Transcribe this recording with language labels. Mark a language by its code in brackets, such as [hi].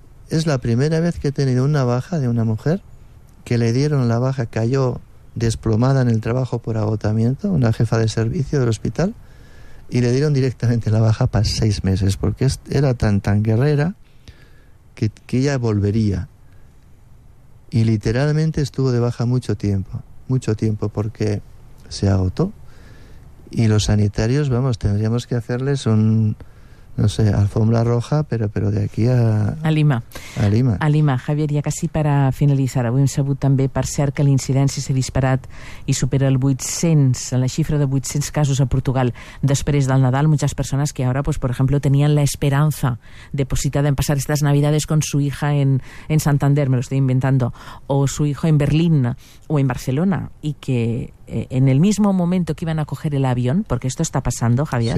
[es] Es la primera vez que he tenido una baja de una mujer, que le dieron la baja, cayó desplomada en el trabajo por agotamiento, una jefa de servicio del hospital, y le dieron directamente la baja para 6 meses, porque era tan tan guerrera que ella volvería. Y literalmente estuvo de baja mucho tiempo, porque se agotó. Y los sanitarios, vamos, tendríamos que hacerles un no sé, alfombra roja, però de aquí a Lima. A Lima. [ca] A Lima, Javier, ja quasi per a finalitzar. Avui hem sabut també, per cert, que l'incidència s'ha disparat i supera el 800, la xifra de 800 casos a Portugal. Després del Nadal, moltes persones que ara, pues, per exemple, tenien la esperança depositada en passar aquestes [es] Navidades con su hija en Santander, me lo estoy inventando, o su hijo en Berlín o en Barcelona, y que en el mismo momento que iban a coger el avión, porque esto está pasando, Javier.